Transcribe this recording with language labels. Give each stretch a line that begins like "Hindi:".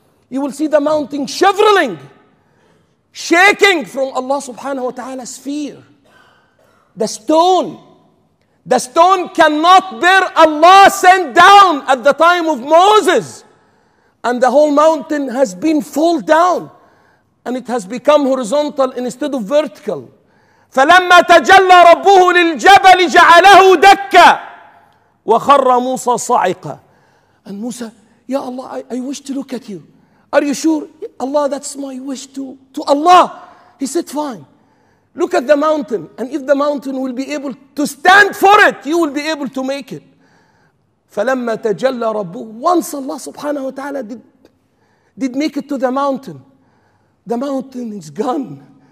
English: You will see the mountain shivering, shaking from Allah subhanahu wa ta'ala's fear. The stone cannot bear Allah sent down at the time of Moses. And the whole mountain has been fall down and it has become horizontal instead of vertical.
Arabic: فلما تجلى ربه للجبل جعله دكا وخر موسى صعقا.
English: And Musa, Ya Allah, I wish to look at you. Are you sure? Allah, that's my wish to Allah. He said, fine. Look at the mountain. And if the mountain will be able to stand for it, you will be able to make it.
Arabic: فَلَمَّا تَجَلَّ رَبُّهُ.
English: Once Allah subhanahu wa ta'ala did make it to the mountain is gone.